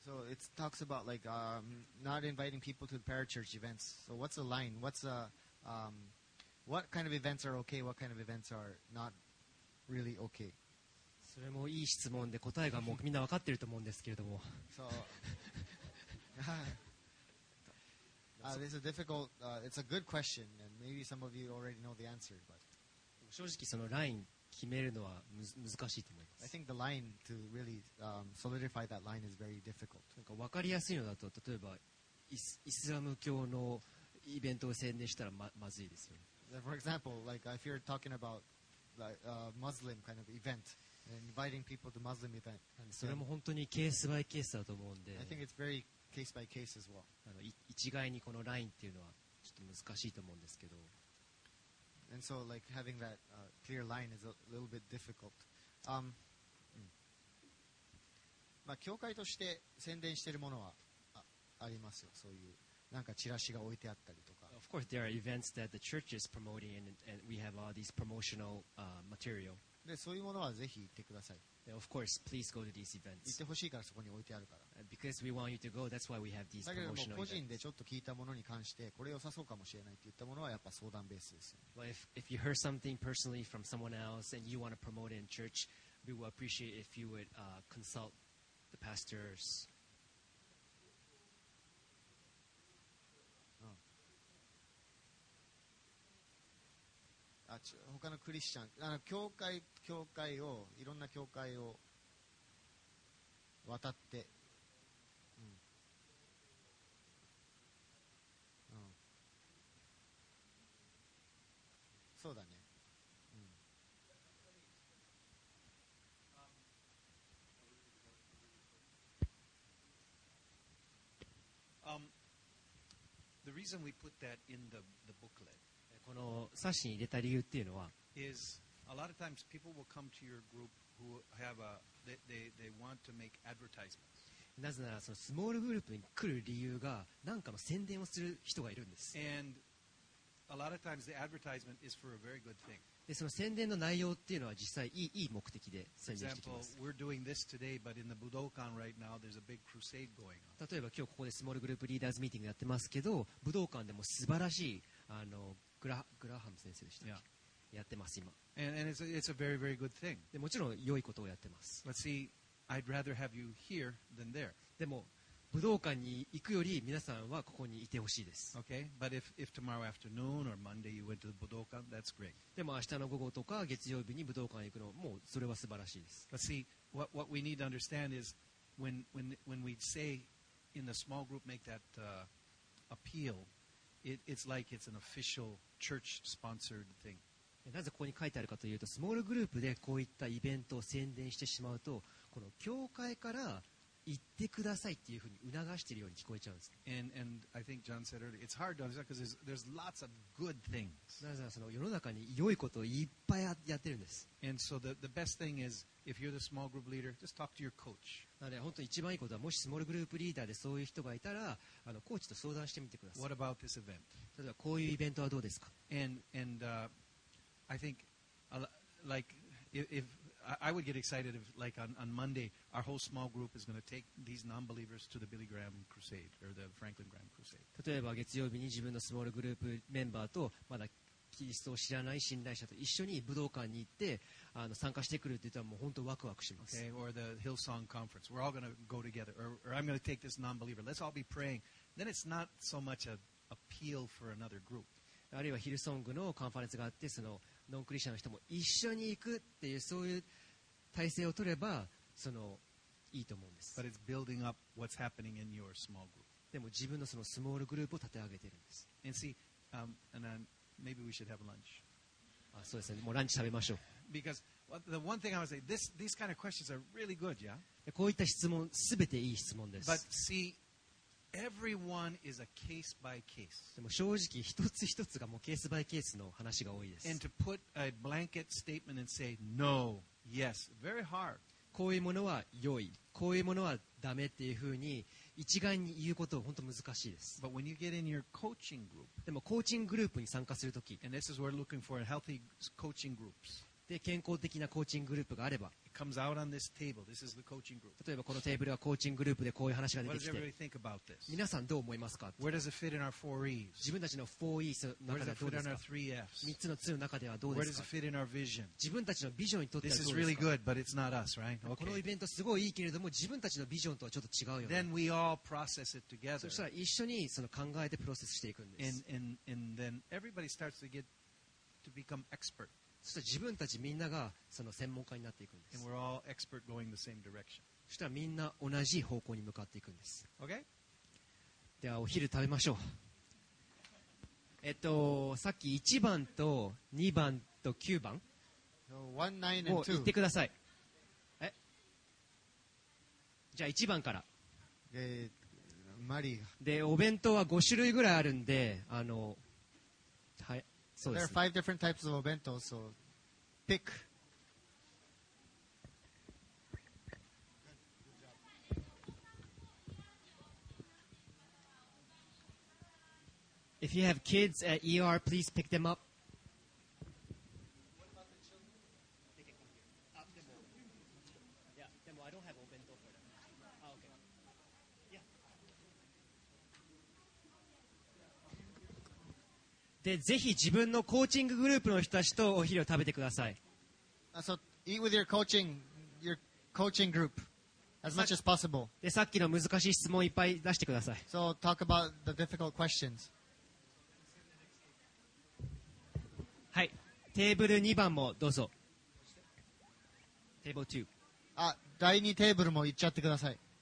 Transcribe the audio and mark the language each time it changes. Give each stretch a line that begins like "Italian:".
English: it talks about like not inviting people to parachurch events. So what's the line? What's a what kind of events are okay? What kind of events are not really okay?
Japanese: それもいい質問で答えがもうみんなわかってると思うんですけれども。
English: So, it's a difficult, it's a good question, and maybe some of you already know the answer. But
Japanese: 正直そのライン決めるのは難しいと思います。
English: I think the line to really solidify that line is very difficult.
Japanese: なんかわかりやすいのだと例えばイスラム教のイベントを宣伝したら まずいですよ。
English: For example, like if you're talking about like a Muslim kind of event, inviting people to Muslim event,
Japanese: それも本当にケースバイケースだと思うんで、
English: I think it's very case by case as well.
Japanese: 一概にこのラインっていうのはちょっと難しいと思うんですけど、
English: and so like having that clear line is a little bit difficult.
Japanese: まあ教会として宣伝しているものはありますよ、そういう。なんかチラシが置いてあったりとか。
English: Of course, there are events that the church is promoting, and we have all these promotional material.
Japanese: で、そういうものはぜひ行ってください。
English: Of course, please go to these events.
Japanese: 行ってほしいからそこに置いてあるから。
English: Because we want you to go, that's why we have these promotional events.
Japanese: だけど個人でちょっと聞いたものに関して、これ良さそうかもしれないって言ったものはやっぱ相談ベースですよ、ね。
English: Well, if you heard something personally from someone else and you want to promote it in church, we would appreciate if you would consult the pastors.
Japanese: 他のクリスチャン、教会、教会を、いろんな教会を渡って、うんうん、そうだね、うん、
English: The reason we put that in the booklet.
Japanese: この冊子に入れた理由っていうのは、
English: is a lot of times people will come to your group who have a they want to make advertisements.
Japanese: なぜならそのスモールグループに来る理由が何かの宣伝をする人がいるんです。
English: And a lot of times the advertisement is for a very good thing.
Japanese: でその宣伝の内容っていうのは実際いい目的で宣伝してきます。
English: For example, we're doing this today, but in the Budokan right now, there's a big crusade going on.
Japanese: 例えば今日ここでスモールグループリーダーズミーティングやってますけど、武道館でも素晴らしいグラハム先生でしたっけ、yeah. やってます今。
English: And it's a very, very good thing.
Japanese: でもちろん良いことをやってます。
English: But see, I'd rather have you here than there.
Japanese: でも武道館に行くより皆さんはここにいてほしいです。
English: Okay, but if tomorrow afternoon or Monday you went to the Budokan, that's great.
Japanese: でも明日の午後とか月曜日に武道館に行くのもうそれは素晴らしいです。
English: But see, what we need to understand is when we say in the small group make that appeal. It's like it's an official church sponsored thing.
Japanese: なぜここに書いてあるかというと、スモールグループでこういったイベントを宣伝してしまうと、この教会から行ってくださいっていうふうに促しているように聞こえちゃうんです。
English: And I think John said earlier, it's hard to understand because there's lots of good things.
Japanese: なぜならその世の中に良いことをいっぱいやってるんです。
English: And so the best thing is if you're the small group leader, just talk to your coach.
Japanese: なので本当に一番いいことはもしスモールグループリーダーでそういう人がいたらコーチと相談してみてください。
English: What about this event?
Japanese: 例えばこういうイベントはどうですか?
English: And I think like if I would get excited if like on Monday our whole small group is going to take these non-believers to the Billy Graham Crusade or the Franklin Graham Crusade.
Japanese: 例えば月曜日に自分のスモールグループメンバーとまだキリストを知らない信頼者と一緒に武道館に行って参加してくるって言ったらもう本当ワクワクします。
English: Okay, or the Hillsong Conference. We're all going to go together. Or I'm going to take this non-believer. Let's all be praying. Then it's not so much an appeal for another group.
Japanese: あるいはヒルソングのカンファレンスがあってそのノンクリスチャンの人も一緒に行くっていうそういう体制を取ればそのいいと思うんです。
English: But it's building up what's happening in your small group.
Japanese: でも自分のそのスモールグループを立て上げているんです。
English: And see, and then. Maybe we should have lunch.
Japanese: あ、そうですね。もうランチ食べましょう。
English: Because the one thing I would say, these kind of questions are really good, yeah?
Japanese: こういった質問、すべていい質問です。
English: But see, everyone is a case by case.
Japanese: でも正直、一つ一つがもうケースバイケースの話が多いです。
English: And to put a blanket statement and say no, yes, very hard.
Japanese: こういうものは良い、こういうものはダメっていうふうに一概に言うことは本当難しいです。
English: But when you get in your coaching group,
Japanese: でもコーチンググループに参加するとき、
English: and this is where looking for healthy coaching groups.
Japanese: で健康的なコーチンググループがあれば、
English: it comes out on this table. This is the coaching group.
Japanese: 例えばこのテーブルはコーチンググループでこういう話が出てきて、皆さんどう思いますか？
English: Where does it fit in our 4Es?
Japanese: 自分たちの 4Es の中ではどうですか？
English: Where does it fit in our 3Fs?
Japanese: 3つの2の中ではどうですか？
English: Where does it fit in our vision?
Japanese: 自分たちのビジョンにとってはどうですか？
English: This is really good, but it's not us, right? Okay.
Japanese: このイベントすごいいいけれども、自分たちのビジョンとはちょっと違うよね。
English: Then we all process it together.
Japanese: そしたら一緒にその考えてプロセスしていくんです。
English: And then everybody starts to get to become expert.
Japanese: そしたら自分たちみんながその専門家になっていくんです。
English: And we're all expert going the same direction.
Japanese: そしたらみんな同じ方向に向かっていくんです。
English: Okay?
Japanese: ではお昼食べましょう。さっき1番と2番と9番を言ってください。え？じゃあ1番から。マリア。で、お弁当は5種類ぐらいあるんで、はい。
English: So there are five different types of bento, so pick. If you have kids at ER, please pick them up. What about the children? They can come here. Ah, demo. Yeah, demo. I don't have bento for them. Ah, okay. Yeah.
Japanese: でぜひ自分のコーチンググループの人たちとお昼を食べてください。
English: So, eat with your coaching group as much as possible.
Japanese: でさっきの難しい質問をいっぱい出してください。
English: So, talk about the difficult questions.
Japanese: はい、テーブル2番もどうぞ。テーブル2。あ、第2テーブルも行っちゃってください。